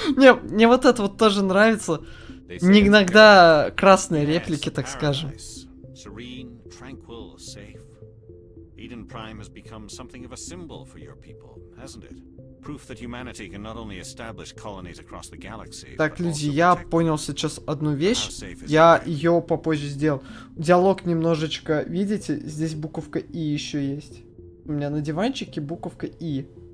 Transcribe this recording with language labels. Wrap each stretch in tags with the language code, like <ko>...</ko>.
<ru>Мне вот это вот тоже нравится. Не иногда красные реплики, так скажем.</ru> <en>Serene, tranquil, safe. Eden Prime has become something of a symbol for your people, hasn't it? Proof that humanity can not only establish colonies across the galaxy.</en> <ru>Так, люди, я понял сейчас одну вещь. Я ее попозже сделал. Диалог немножечко, видите, здесь буковка И еще есть. У меня на диванчике буковка И.</ru>